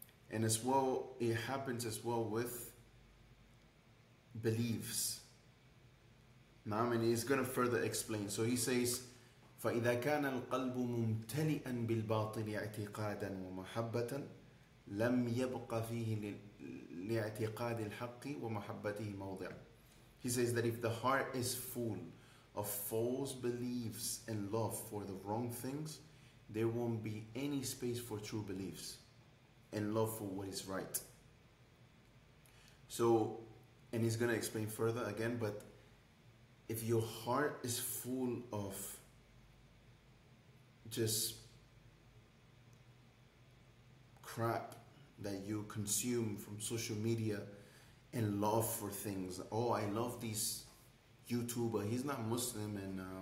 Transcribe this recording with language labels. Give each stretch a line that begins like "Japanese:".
English: And as well, it happens as well with beliefs. Now, and he's going to further explain. So he says,
Arabic: فَإِذَا كَانَ الْقَلْبُ مُمْتَلِئًا بِالْبَاطِلِ اعْتِقَادًا وَمَحَبَّةً لَمْ يَبْقَ فِيهِ لِاعْتِقَادِ الْحَقِّ وَمَحَبَّتِهِ مَوْضِعًا.
English: He says that if the heart is full of false beliefs and love for the wrong things, there won't be any space for true beliefs and love for what is right. So, and he's going to explain further again, but if your heart is full of just crap that you consume from social media and love for things, oh, I love this YouTuber, he's not Muslim, and